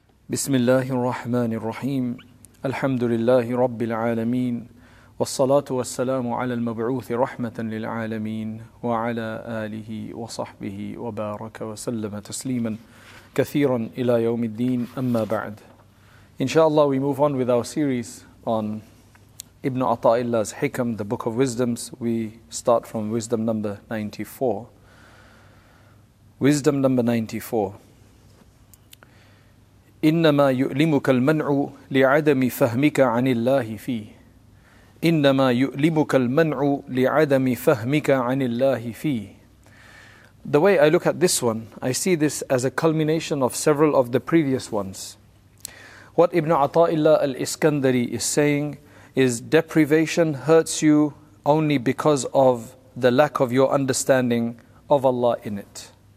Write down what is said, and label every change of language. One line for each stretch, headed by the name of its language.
Arabic: بسم الله الرحمن الرحيم الحمد لله رب العالمين والصلاة والسلام على المبعوث رحمة للعالمين وعلى آله وصحبه وبارك وسلم تسليما كثيرا إلى يوم الدين أما بعد. إن شاء الله
English: we move on with our series on Ibn Ata'illah's Hikam, the Book of Wisdoms. We start from wisdom number 94. Wisdom number 94.
Arabic: إنما يؤلمك المنع لعدم فهمك عن الله فيه. إنما يؤلمك المنع لعدم فهمك عن الله فيه.
English: The way I look at this one, I see this as a culmination of several of the previous ones. What Ibn Ata'illah al-Iskandari is saying is deprivation hurts you only because of the lack of your understanding of Allah in it.